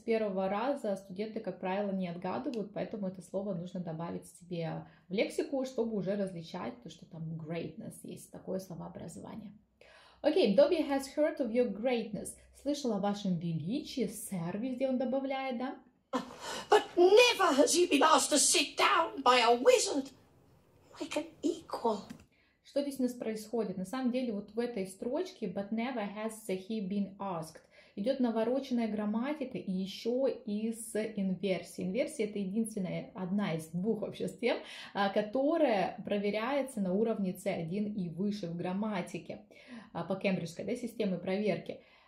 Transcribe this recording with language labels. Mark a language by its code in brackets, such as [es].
[ru] С первого раза студенты, как правило, не отгадывают, поэтому это слово нужно добавить себе в лексику, чтобы уже различать то, что там greatness есть, такое словообразование. [en] Окей, Добби has heard of your greatness. [ru] Слышал о вашем величии, сэр, где он добавляет, да? [en] But never has he been asked to sit down by a wizard like an equal. [ru] Что здесь у нас происходит? На самом деле, вот в этой строчке [en] but never has he been asked. [ru] Идет навороченная грамматика и еще и с инверсией. Инверсия – это единственная, одна из двух вообще тем, которая проверяется на уровне C1 и выше в грамматике по кембриджской, да, системе проверки.